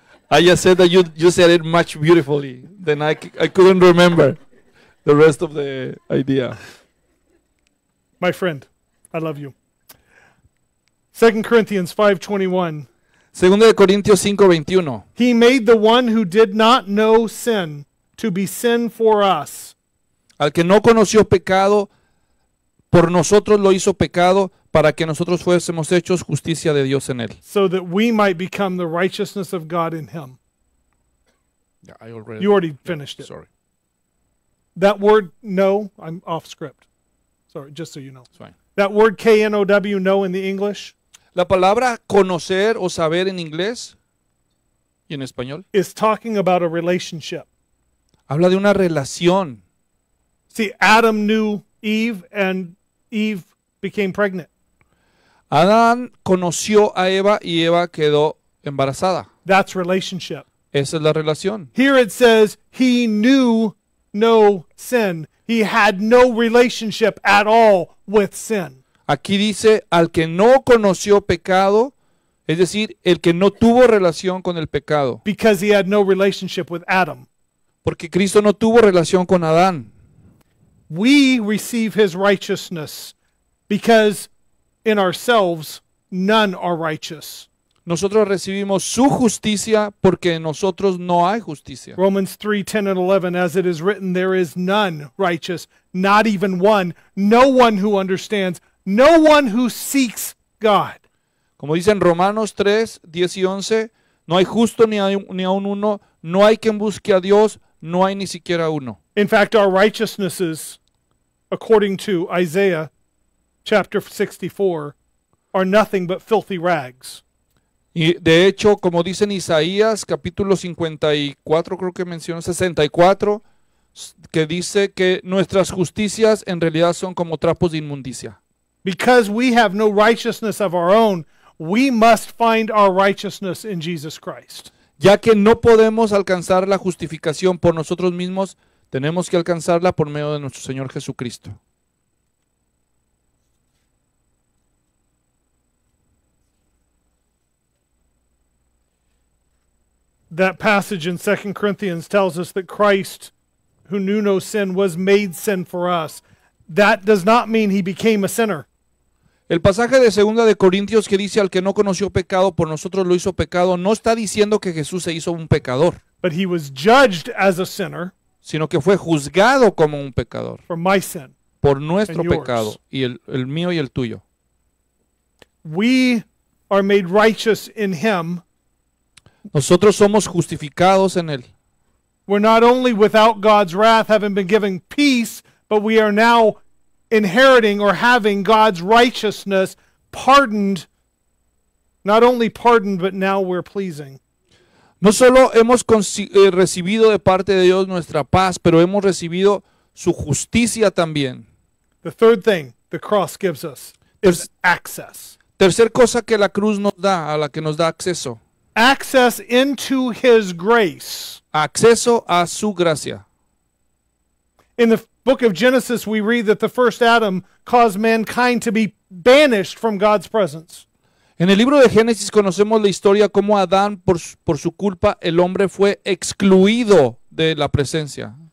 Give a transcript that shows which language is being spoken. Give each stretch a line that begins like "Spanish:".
English: I just said that you said it much beautifully. Then I couldn't remember the rest of the idea. My friend, I love you. 2 Corinthians 5:21.
Spanish: Segunda de Corintios 5:21.
English: He made the one who did not know sin to be sin for us.
Spanish: Al que no conoció pecado, por nosotros lo hizo pecado, para que nosotros fuésemos hechos justicia de Dios en él.
English: So that we might become the righteousness of God in him. Yeah, I already, finished it. Sorry. That word, no, I'm off script. Sorry, just so you know. It's fine. That word K-N-O-W, know in the English.
Spanish: La palabra conocer o saber en inglés y en español.
English: Is talking about a relationship.
Spanish: Habla de una relación.
English: See, Adam knew Eve and Eve became pregnant.
Spanish: Adán conoció a Eva y Eva quedó embarazada.
English: That's relationship.
Spanish: Esa es la relación.
English: Here it says he knew no sin. He had no relationship at all with sin.
Spanish: Aquí dice al que no conoció pecado, es decir, el que no tuvo relación con el pecado.
English: Because he had no relationship with Adam.
Spanish: Porque Cristo no tuvo relación con Adán.
English: We receive his righteousness because in ourselves, none are righteous.
Spanish: Nosotros recibimos su justicia porque en nosotros no hay justicia.
English: Romans 3, 10 and 11, as it is written, there is none righteous, not even one, no one who understands, no one who seeks God.
Spanish: Como dicen Romanos 3, 10 y 11, no hay justo ni a un uno, no hay quien busque a Dios, no hay ni siquiera uno.
English: In fact, our righteousnesses, according to Isaiah, chapter 64, are nothing but filthy rags.
Spanish: Y de hecho, como dicen Isaías, capítulo 54, creo que mencionó, 64, que dice que nuestras justicias en realidad son como trapos de inmundicia.
English: Because we have no righteousness of our own, we must find our righteousness in Jesus Christ.
Spanish: Ya que no podemos alcanzar la justificación por nosotros mismos, tenemos que alcanzarla por medio de nuestro Señor Jesucristo.
English: That passage in 2 Corinthians tells us that Christ, who knew no sin, was made sin for us. That does not mean he became a sinner.
Spanish: El pasaje de 2 de Corintios que dice al que no conoció pecado por nosotros lo hizo pecado, no está diciendo que Jesús se hizo un pecador.
English: But he was judged as a sinner.
Spanish: Sino que fue juzgado como un pecador.
English: For my sin.
Spanish: Por nuestro pecado. Y el mío y el tuyo.
English: We are made righteous in him.
Spanish: Nosotros somos justificados en él.
English: We're not only without God's wrath, having been given peace, but we are now inheriting or having God's righteousness pardoned. Not only pardoned, but now we're pleasing.
Spanish: No solo hemos recibido de parte de Dios nuestra paz, pero hemos recibido su justicia también.
English: The third thing the cross gives us is access.
Spanish: Tercer cosa que la cruz nos da, a la que nos da acceso.
English: Access into his grace.
Spanish: Acceso a su gracia.
English: In the book of Genesis, we read that the first Adam caused mankind to be banished from God's presence.
Spanish: En el libro de Génesis conocemos la historia como Adán, por su culpa, el hombre fue excluido de la presencia